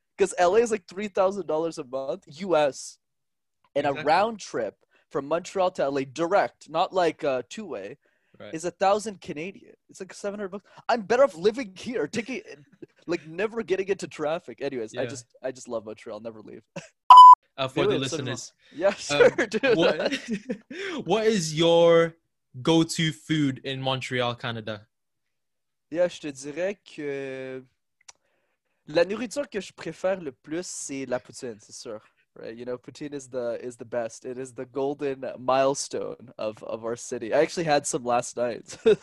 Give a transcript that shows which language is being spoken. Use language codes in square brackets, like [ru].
[en] Because LA is like $3,000 a month, US. And a round trip from Montreal to LA direct, not like two-way, is 1,000 Canadian. It's like $700. I'm better off living here, taking like never getting into traffic. Anyways, I just love Montreal. Never leave. The listeners. So yeah, sure, dude. What is your go-to food in Montreal, Canada? [fr] Yeah, je te dirais que la nourriture que je préfère le plus, c'est la poutine, c'est sûr. [en] Right, you know, poutine is the best. It is the golden milestone of our city. I actually had some last night.